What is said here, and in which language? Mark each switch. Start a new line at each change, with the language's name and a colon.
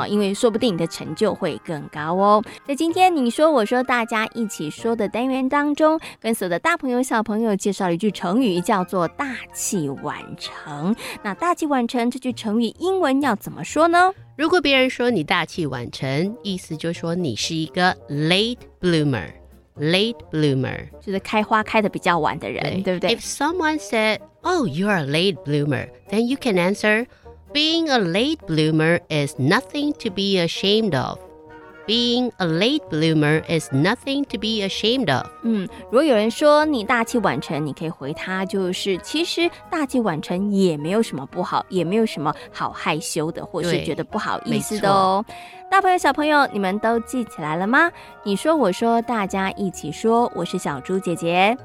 Chinese: 因为说不定你的成就会更高哦。在今天你说我说大家一起说的单元当中，跟所有的大朋友小朋友介绍了一句成语叫做大器晚成。那大器晚成这句成语英文要怎么说呢？如果别人说你大器晚成，意思就说你是一个 late bloomer。
English: late bloomer
Chinese: 就是开花开得比较晚的人。对， 对不对？
English: If someone said oh you are a late bloomer， then you can answer being a late bloomer is nothing to be ashamed of。 being a late bloomer is nothing to be ashamed of。
Chinese: 如果有人说你大器晚成，你可以回他就是其实大器晚成也没有什么不好，也没有什么好害羞的或是觉得不好意思的哦。大朋友小朋友，你们都记起来了吗？你说我说大家一起说，我是小猪姐姐。